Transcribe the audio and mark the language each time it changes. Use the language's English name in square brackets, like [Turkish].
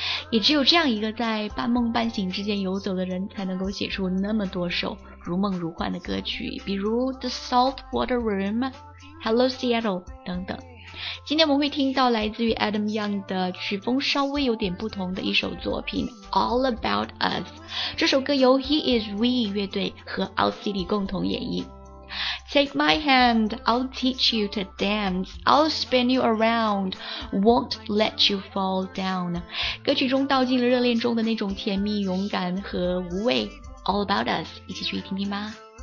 [Chinese] 也只有这样一个在半梦半醒之间游走的人，才能够写出那么多首如梦如幻的歌曲，比如 The Saltwater Room、Hello Seattle 等等。今天我们会听到来自于 Adam Young 的曲风稍微有点不同的一首作品 All About Us。这首歌由 He Is We 乐队和 Owl City 共同演绎。 [English] Take my hand, I'll teach you to dance. I'll spin you around, won't let you fall down. [Chinese] 歌曲中道尽了热恋中的那种甜蜜、勇敢和无畏。 All About Us, 一起去听听吧。